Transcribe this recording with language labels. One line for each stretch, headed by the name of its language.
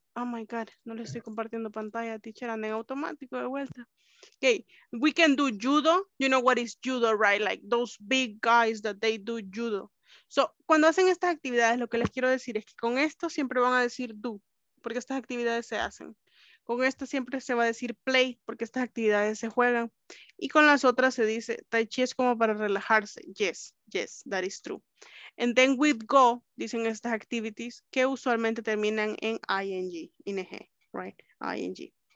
English: Oh my God,
Spanish: no le estoy compartiendo pantalla, teacher, anda en automático de vuelta.
English: Okay, we can do judo. You know what is judo, right? Like those big guys that they do judo.
Spanish: So, cuando hacen estas actividades, lo que les quiero decir es que con esto siempre van a decir do, porque estas actividades se hacen. Con esto siempre se va a decir play, porque estas actividades se juegan. Y con las otras se dice, tai chi es como para relajarse.
English: Yes, yes, that is true. And then with go,
Spanish: dicen estas
English: activities,
Spanish: que usualmente terminan en
English: ing, ing, right? Ing.